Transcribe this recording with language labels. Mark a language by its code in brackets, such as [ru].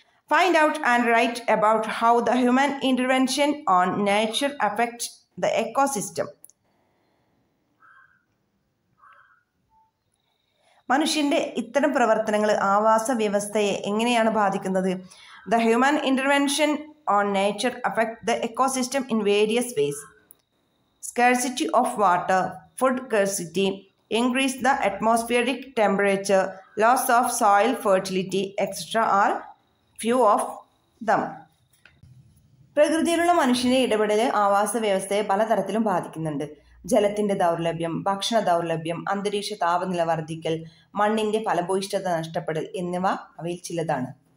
[en] Find out and write about how the human intervention on nature affects the ecosystem. [ml] മനുഷ്യന്റെ ഇത്തരം പ്രവർത്തനങ്ങൾ ആവാസ വ്യവസ്ഥയെ എങ്ങനെയാണ് ബാധിക്കുന്നത്? [en] The human intervention on nature affects the ecosystem in various ways. Scarcity of water, food scarcity, increase the atmospheric temperature, loss of soil fertility, etc. are few of them. [ml] പ്രകൃതിയിലുള്ള മനുഷ്യൻ്റെ ഇടപെടൽ ആവാസ വ്യവസ്ഥയെ പലതരത്തിലും ബാധിക്കുന്നുണ്ട്. ജലത്തിൻ്റെ ദൗർലഭ്യം, ഭക്ഷണ ദൗർലഭ്യം, അന്തരീക്ഷ താപനില വർദ്ധിക്കൽ, മണ്ണിൻ്റെ ഫലഭൂയിഷ്ഠത നഷ്ടപ്പെടൽ എന്നിവ അവയിൽ ചിലതാണ്.